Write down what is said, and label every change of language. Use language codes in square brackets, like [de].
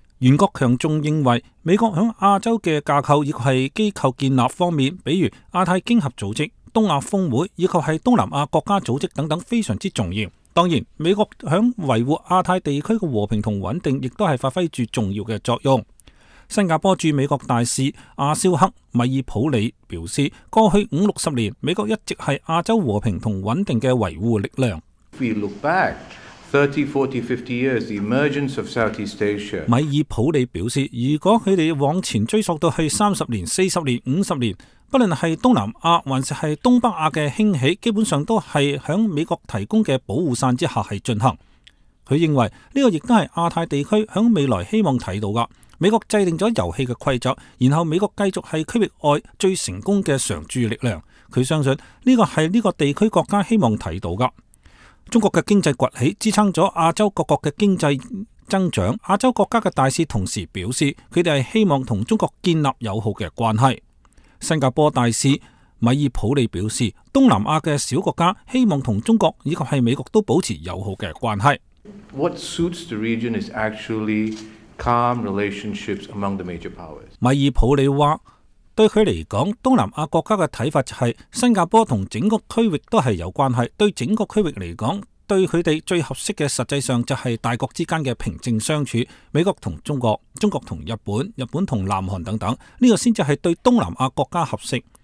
[zh] 袁国强仲认为，美国在亚洲的架构以及是机构建立方面，比如亚太经合组织、东亚峰会以及是东南亚国家组织等等，非常之重要。当然，美国在维护亚太地区的和平和稳定亦都是发挥着重要的作用。新加坡驻美国大使阿肖克·米尔普里表示，过去五六十年，美国一直是亚洲和平和稳定的维护力量。 [en] If we look back 30, 40, 50 years, the emergence of Southeast Asia. [zh] 米尔普里表示，如果他们往前追溯到去30年、40年、50年，不论是东南亚还是东北亚的兴起，基本上都是在美国提供的保护伞之下进行。他认为，这个亦都是亚太地区在未来希望看到的。美国制定了游戏的规则，然后美国继续是区域外最成功的常驻力量。他相信这个是这个地区国家希望看到的。中国的经济崛起支撑了亚洲各国的经济增长。亚洲国家的大使同时表示，他们是希望与中国建立友好的关系。新加坡大使米尔普里表示，东南亚的小国家希望与中国以及是美国都保持友好的关系。 [en] What suits the region is actually...Calm relationships among the major powers. [zh] 米尔普里说，对他来讲，东南亚国家的看法就是新加坡和整个区域都是有关系，对整个区域来讲，对他们最合适的实际上就是大国之间的平静相处，美国和中国，中国和日本，日本和南韩等等，这个才是对东南亚国家合适。